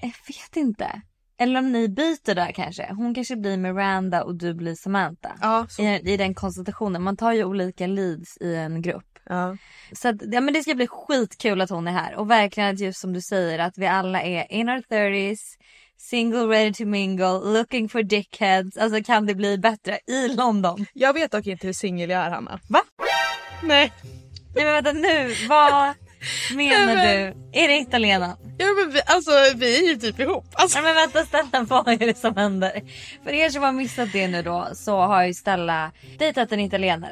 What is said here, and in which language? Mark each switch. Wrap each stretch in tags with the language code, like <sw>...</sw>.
<sv>Jag vet inte. Eller om ni byter där kanske. Hon kanske blir Miranda och du blir Samantha. Ja, I den konstellationen. Man tar ju olika leads i en grupp. Ja. Så att, ja, men det ska bli skitkul att hon är här. Och verkligen att, just som du säger, att vi alla är</sv> <en>in our 30s. Single, ready to mingle, looking for dickheads.</en> <sv>Alltså, kan det bli bättre i London? Jag vet dock inte hur single jag är, Hanna. Va? Nej. Nej, men vänta nu. Vad... menar men, du? Är det inte Lena? Ja, men vi är ju typ ihop. Alltså. Nej, men vänta, Stella, vad är det som händer? För er som har missat det nu då, så har ju Stella dejtat en italienare.</sv>